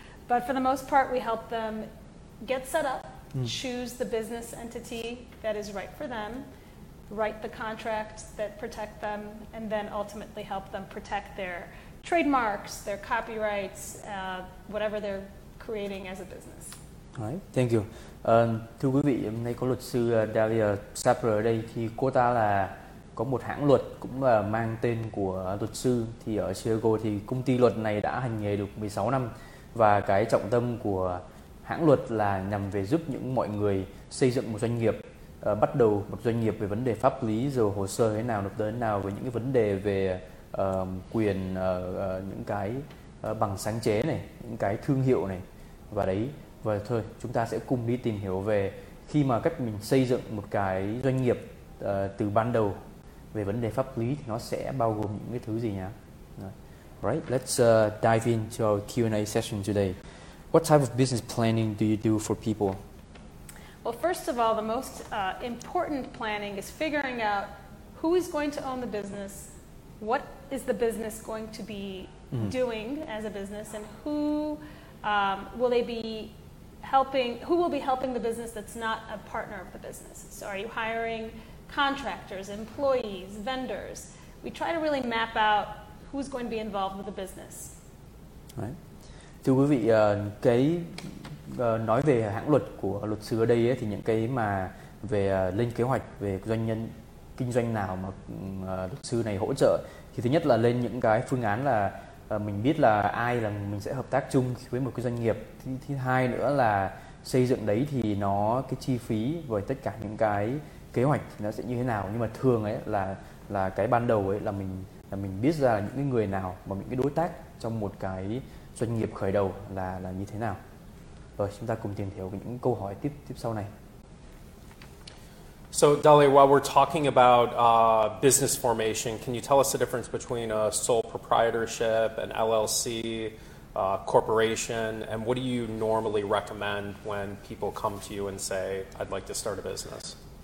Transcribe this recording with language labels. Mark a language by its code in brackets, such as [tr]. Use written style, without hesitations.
[en] But for the most part, we help them get set up, choose the business entity that is right for them, write the contracts that protect them, and then ultimately help them protect their trademarks, their copyrights, whatever they're creating as a business. All right, thank you. [vi] Thưa quý vị, hôm nay có luật sư Dahlia Sapper ở đây thì cô ta là có một hãng luật cũng mang tên của luật sư. Thì ở Chicago thì công ty luật này đã hành nghề được 16 năm. Và cái trọng tâm của hãng luật là nhằm về giúp những mọi người xây dựng một doanh nghiệp, bắt đầu một doanh nghiệp về vấn đề pháp lý, rồi hồ sơ thế nào, nộp thuế thế nào, với những cái vấn đề về quyền, những cái bằng sáng chế này, những cái thương hiệu này. Và đấy, và thôi, chúng ta sẽ cùng đi tìm hiểu về khi mà cách mình xây dựng một cái doanh nghiệp từ ban đầu về vấn đề pháp lý thì nó sẽ bao gồm những cái thứ gì nhá. [en] Right, let's dive into our Q&A session today. What type of business planning do you do for people? Well, first of all, the most important planning is figuring out who is going to own the business, what is the business going to be doing as a business, and who will they be helping, who will be helping the business that's not a partner of the business. So are you hiring contractors, employees, vendors? We try to really map out who's going to be involved with the business. Right. [vi] Thưa quý vị, cái nói về hãng luật của luật sư ở đây ấy, thì những cái mà về lên kế hoạch về doanh nhân kinh doanh nào mà luật sư này hỗ trợ thì thứ nhất là lên những cái phương án là mình biết là ai là mình sẽ hợp tác chung với một cái doanh nghiệp. Thứ hai nữa là xây dựng đấy thì nó cái chi phí với tất cả những cái kế hoạch nó sẽ như thế nào. Nhưng mà thường ấy là cái ban đầu ấy là mình biết ra là những cái người nào và những cái đối tác trong một cái doanh nghiệp khởi đầu là như thế nào. Rồi chúng ta cùng tìm hiểu những câu hỏi tiếp sau này. [en] So Dahlia, while we're talking about business formation, can you tell us the difference between a sole proprietorship, an LLC, corporation, and what do you normally recommend when people come to you and say, I'd like to start a business?